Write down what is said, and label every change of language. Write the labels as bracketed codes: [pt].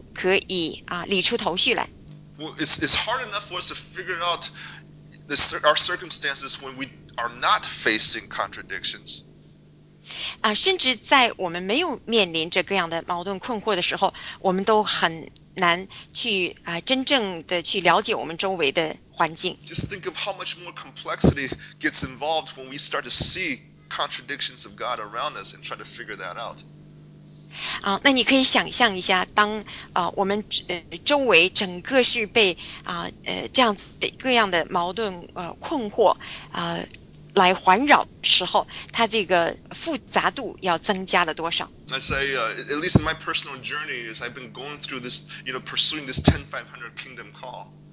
[zh] 如果我们对自己是可以诚实一些的话，我们会相信这样一点，就是说我们没有任何一个人是有这样的一个智慧，不管是在我们的智力或者我们思想这方面，可以把这一切都可以理出头绪来。 [en] Well, it's hard enough for us to figure out our circumstances when we are not facing contradictions. [zh] 甚至在我们没有面临着各样的矛盾困惑的时候，我们都很难去真正的去了解我们周围的环境。 [en] Just think of how much more complexity gets involved when we start to see contradictions of God around us and try to figure that out. [zh] 那你可以想象一下，当我们周围整个是被这样子各样的矛盾困惑。来环绕时候，它这个复杂度要增加了多少？ [en] I say, at least in my personal journey, as I've been going through this, pursuing this 10-500 kingdom call.